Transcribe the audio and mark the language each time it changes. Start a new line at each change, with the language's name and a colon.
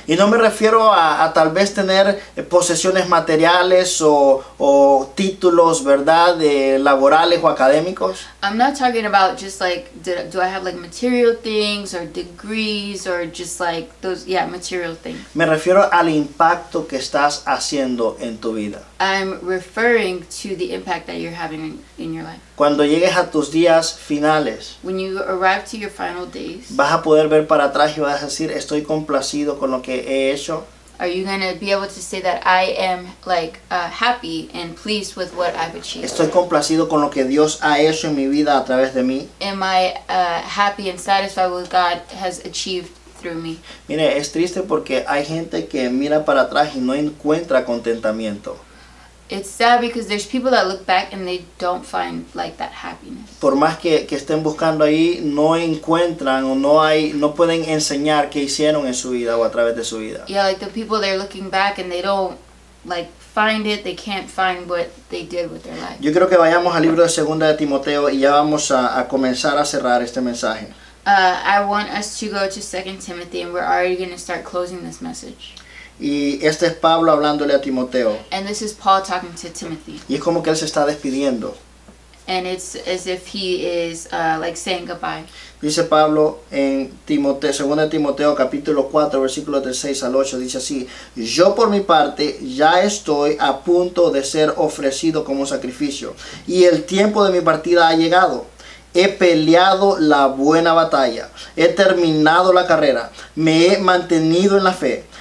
Spanish: Y no me refiero a tal vez tener posesiones materiales o títulos, ¿verdad?, de laborales o académicos.
English: I'm not talking about just like, do I have like material things or degrees or just like those, yeah, material things.
Spanish: Me refiero al impacto que estás haciendo en tu vida.
English: I'm referring to the impact that you're having in your life.
Spanish: Cuando llegues a tus días finales,
English: when you arrive to your final days,
Spanish: vas a poder ver para atrás y vas a decir, estoy complacido con lo que he hecho.
English: Are you going to be able to say that I am like happy and pleased with what I've achieved?
Spanish: Estoy complacido con lo que Dios ha hecho en mi vida a través de mí.
English: Am I happy and satisfied with what God has achieved through me?
Spanish: Mire, es triste porque hay gente que mira para atrás y no encuentra contentamiento.
English: It's sad because there's people that look back and they don't find like that happiness.
Spanish: Por más que estén buscando ahí, no encuentran o no pueden enseñar qué hicieron en su vida o a través de su vida.
English: Yeah, like the people they're looking back and they don't like find it. They can't find what they did with their life.
Spanish: Yo creo que vayamos al libro de Segunda de Timoteo y ya vamos a comenzar a cerrar este mensaje.
English: I want us to go to 2 Timothy and we're already going to start closing this message.
Spanish: Y este es Pablo hablándole a Timoteo.
English: And this is Paul talking to Timothy.
Spanish: Y es como que él se está despidiendo.
English: And it's as if he is like saying goodbye.
Spanish: Dice Pablo en Timoteo, 2 Timoteo capítulo 4, versículos del 6 al 8, dice así: yo por mi parte ya estoy a punto de ser ofrecido como sacrificio, y el tiempo de mi partida ha llegado. He peleado la buena batalla, he terminado la carrera, me he mantenido en la fe.